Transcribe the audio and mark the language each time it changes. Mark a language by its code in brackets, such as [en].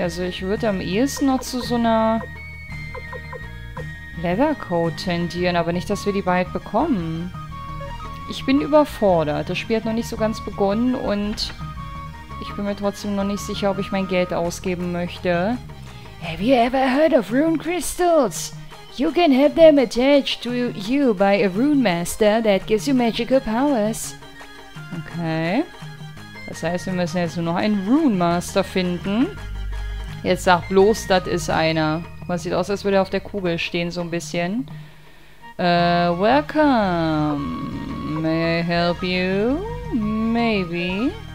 [de] Also ich würde am ehesten noch zu so einer Leathercoat tendieren, aber nicht, dass wir die bald bekommen. Ich bin überfordert. Das Spiel hat noch nicht so ganz begonnen und... Ich bin mir trotzdem noch nicht sicher, ob ich mein Geld ausgeben möchte. [en] Have you ever heard of rune crystals? You can have them attached to you by a rune master that gives you magical powers. Okay. [de] Das heißt, wir müssen jetzt nur noch einen rune master finden. Jetzt sag bloß, das ist einer. Man sieht aus, als würde er auf der Kugel stehen, so ein bisschen. [en] Welcome. May I help you? Maybe.